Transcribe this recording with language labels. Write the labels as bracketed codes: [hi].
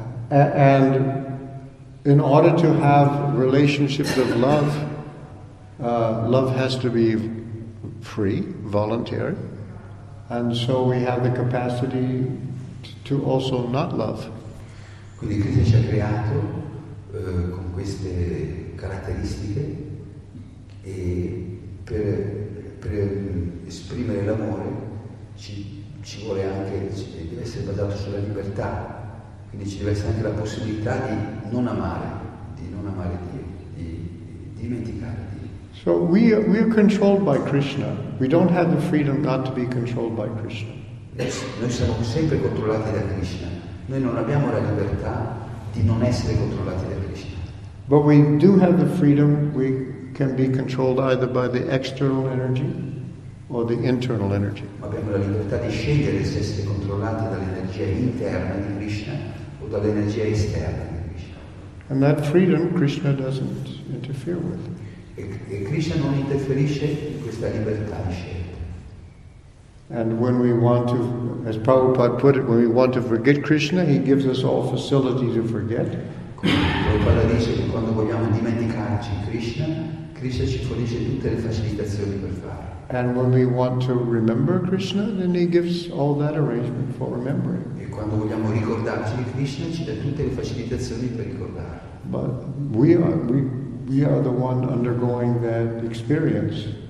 [en] And in order to have relationships of love, love has to be free, voluntary, and so we have the capacity to also not love. [it] Quindi Krishna ci ha creato con queste caratteristiche e per esprimere l'amore ci vuole anche deve essere basato sulla libertà. Quindi ci deve essere anche la possibilità di non amare Dio, di dimenticare Dio. [en] So we are controlled by Krishna. We don't have the freedom not to be controlled by Krishna. [it] Noi siamo sempre controllati da Krishna. Noi non abbiamo la libertà di non essere controllati da Krishna. [en] But we do have the freedom. We can be controlled either by the external energy or the internal energy. [it] Ma abbiamo la libertà di scegliere se essere controllati dall'energia interna di Krishna o dall'energia esterna. [en] And that freedom Krishna doesn't interfere with. [it] E Krishna non interferisce in questa libertà di scelta. [en] And when we want to, as Prabhupada put it, when we want to forget Krishna, he gives us all facility to forget. [it] Prabhupada dice che quando vogliamo dimenticarci Krishna, Krishna ci fornisce tutte le facilitazioni per farlo. [en] And when we want to remember Krishna, then he gives all that arrangement for remembering. [it] E quando vogliamo ricordarci di Krishna, ci dà tutte le facilitazioni per ricordare. [en] But we are the one undergoing that experience.